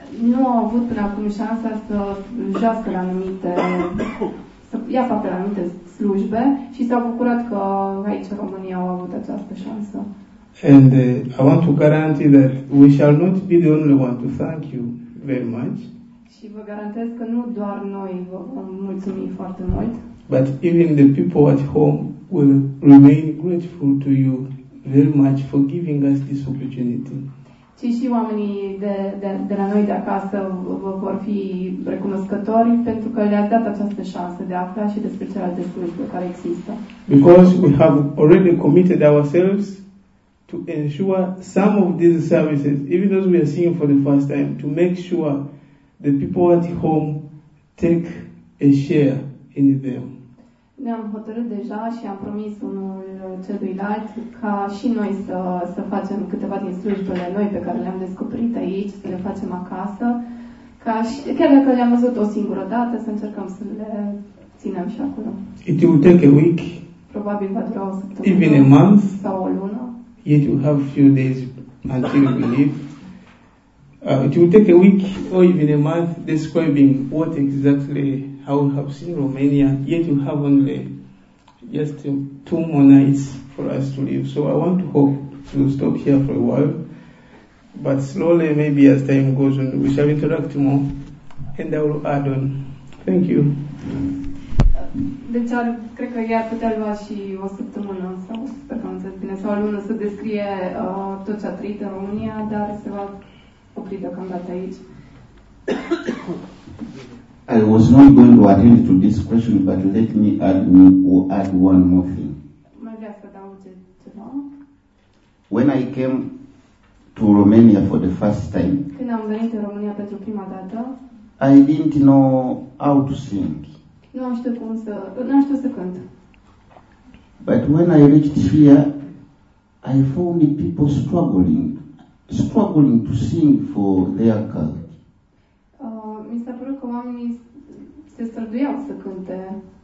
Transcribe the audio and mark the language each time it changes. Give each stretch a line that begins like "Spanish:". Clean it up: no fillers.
Romanian: nu au avut până acum șansa să jească la anumite, să ia parte la anumite slujbe și s-au bucurat că aici în România au avut această șansă.
English: And I want to guarantee that we shall not be the only one to thank you very much.
Romanian: Și vă garantez că nu doar noi vă mulțumim foarte mult.
English: But even the people at home will remain grateful to you very much for giving us this opportunity.
Romanian: Ci și oamenii de la noi de acasă vă vor fi recunoscători pentru că le-ați dat această șansă de a afla și despre celelalte slujbe care există.
English: Because we have already committed ourselves to ensure some of these services, even those we are seeing for the first time, to make sure the people at home take a share in them.
Romanian: Ne-am hotărât deja și am promis unul celuilalt ca și noi să facem câteva din slujbele noi pe care le-am descoperit aici, să le facem acasă, ca și, chiar dacă le-am văzut o singură dată, să încercăm să le ținem și acolo.
English: It will take a week,
Romanian: probabil va dura o săptămână,
English: even a month,
Romanian: sau o lună.
English: Yet you have a few days until we leave. It will take a week or even a month describing what exactly how we have seen Romania, yet you have only just two more nights for us to leave. So I want to hope to stop here for a while, but slowly, maybe as time goes on, we shall interact more, and I will add on. Thank you.
Romanian: Deci, cred că i-ar putea lua și o săptămână sau, sper că am înțeles bine, sau o lună să descrie tot ce a trăit în România, dar se va opri deocamdată aici.
English: I was not going to attend to this question, but let me add one more thing.
Romanian: Mai vrea să dau ceva?
English: When I came to Romania for the first time,
Romanian: când am venit în România pentru prima dată,
English: I didn't know how to sing.
Romanian: Nu am știut cum să, nu am știut să cânt.
English: But when I reached here, I found the people struggling to sing for their culture.
Romanian: Mi s-a părut că oamenii se străduiau să cânte.